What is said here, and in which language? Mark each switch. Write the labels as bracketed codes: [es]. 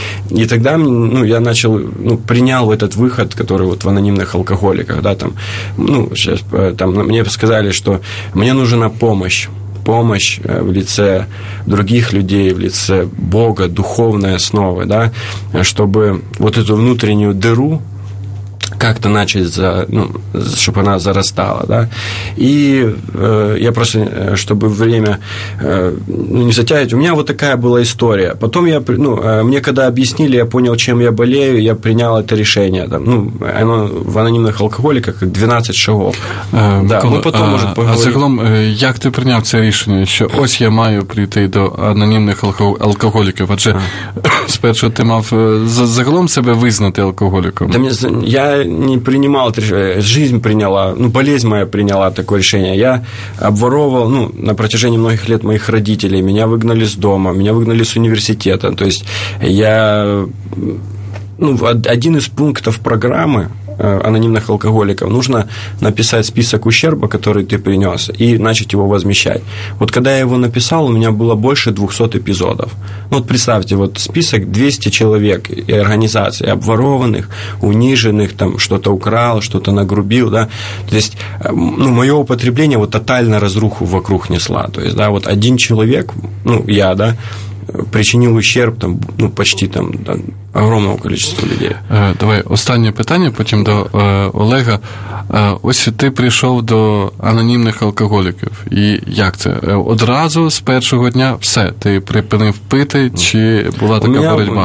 [ru] И тогда, ну, я начал, ну, принял этот выход, который вот в анонимных алкоголиках, да, там, ну, сейчас, там, мне сказали, что мне нужна помощь в лице других людей, в лице Бога, духовной основы, да, чтобы вот эту внутреннюю дыру как-то начать, ну, чтобы она зарастала, да. И я просто, чтобы время не затягивать, у меня вот такая была история. Потом я, ну, мне когда объяснили, я понял, чем я болею, я принял это решение. Там, ну, оно в анонимных алкоголиках как 12 шагов. Да, Микола, мы потом можем поговорить. [uk] А загалом, як ти прийняв це рішення, що ось я маю прийти до анонімних алкоголіків, адже спершу ти мав загалом себе визнати алкоголіком? [ru] Да, я не принимал это решение, жизнь приняла, ну, болезнь моя приняла такое решение. Я обворовывал, ну, на протяжении многих лет моих родителей, меня выгнали с дома, меня выгнали с университета. То есть я, ну, один из пунктов программы анонимных алкоголиков, нужно написать список ущерба, который ты принес, и начать его возмещать. Вот когда я его написал, у меня было больше 200 эпизодов. Ну, вот представьте, вот список 200 человек и организаций, обворованных, униженных, там, что-то украл, что-то нагрубил, да. То есть, ну, мое употребление вот тотально разруху вокруг несла. То есть, да, вот один человек, ну, я, да, причинил ущерб, там, ну, почти там, да, огромного количества людей. [uk] Давай, останнє питання, потім до Олега. Ось ти прийшов до анонімних алкоголіків. І як це? Одразу, з першого дня, все, ти припинив пити, чи була така боротьба?